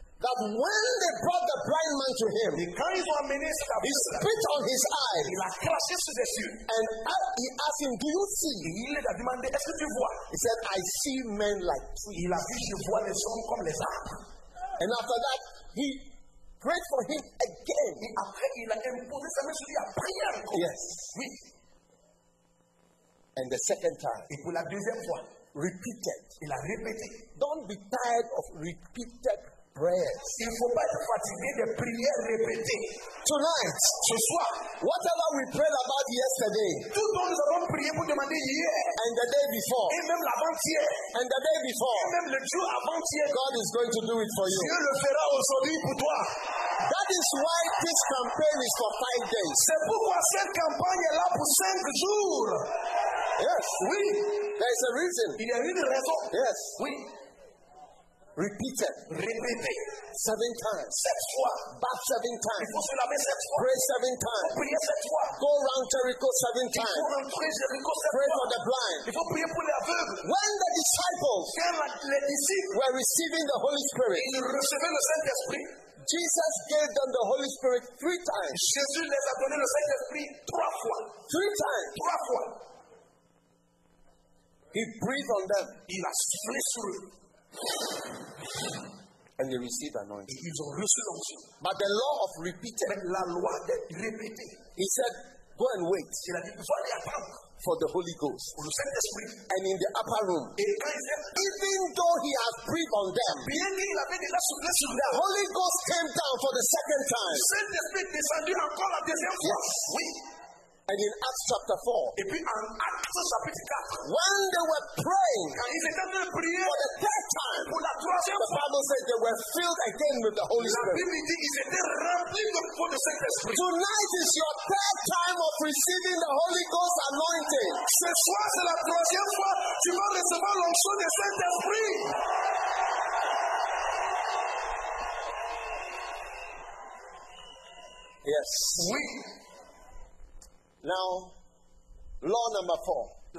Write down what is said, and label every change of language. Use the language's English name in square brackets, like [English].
[English] That when they brought the blind man to him, he spit on his eye and he asked him, do you see? [French] Il a demandé, est-ce que tu vois? [English] He said, I see men like trees. [French] Il a dit, je vois les hommes comme les arbres. [English] And after that, he prayed for him again. [French] Et après, il a imposé sa main sur lui, il a prié encore. [English] Yes. [French] Oui. [English] And the second time, [French] et pour la deuxième fois, [English] repeated. [French] Il a répété. [English] Don't be tired of repeated prayers. [French] Il ne faut pas être fatigué de prières répétées. [English] Tonight, [French] ce soir, [English] whatever we prayed about yesterday, [French] tout ce que nous avons prié pour demander hier, [English] and the day before, [French] et même l'avant-hier, [English] and the day before, [French] et même le jour avant-hier, [English] God is going to do it for you. [French] Dieu le fera aujourd'hui pour toi. [English] That is why this campaign is for 5 days. [French] C'est pourquoi cette campagne est là pour 5 jours. [English] Yes. [French] Oui. [English] There is a reason. [French] Il y a une raison. [English] Yes. [French] Oui. [English] Repeated. [French] Répétez. [English] 7 times. [French] 7 fois. [English] Bat 7 times. [French] Il faut se laver 7 fois. [English] Pray 7 times. [French] Il faut prier 7 fois. [English] Go round Jericho 7 times. [French] Il faut rentrer Jericho 7 fois. [English] Pray for the blind. [French] Il faut prier pour les aveugles. [English] When the disciples, [French] les disciples [English] were receiving the Holy Spirit, [French] ils recevaient le Saint-Esprit. [English] Jesus gave them the Holy Spirit 3 times. [French] Jésus les a donné le Saint-Esprit 3 fois. [English] 3 times. [French] 3 fois. [English] He breathed on them. [French] Il a soufflé sur eux. [English] And they received anointing. [French] Ils ont reçu l'onction. [English] But the law of repeating. [French] Mais la loi de répéter. [English] He said, go and wait. [French] Il a dit, va et attendre. [English] For the Holy Ghost. [French] Pour le Saint-Esprit. [English] And in the upper room. [French] Et quand il [English] dit, even though he has breathed on them. [French] Bien qu'il avait déjà soufflé sur eux. [English] The Holy Ghost came down for the second time. [French] Le Saint-Esprit descendu encore la deuxième fois. [English] Yes. [French] Oui. [English] And in Acts chapter 4, [French] et puis en Actes chapitre 4, [English] when they were praying, [French] quand ils étaient en train de prier, [English] for the third time, [French] pour la troisième fois, [English] the Bible says they were filled again with the Holy Spirit. [French] La Bible dit ils étaient remplis de pour le Saint-Esprit. [English] Tonight is your third time of receiving the Holy Ghost anointing. [French] Ce soir c'est la troisième fois tu vas recevoir l'onction du Saint-Esprit. [English] Yes. [French] Oui. [English] Now, law number 4.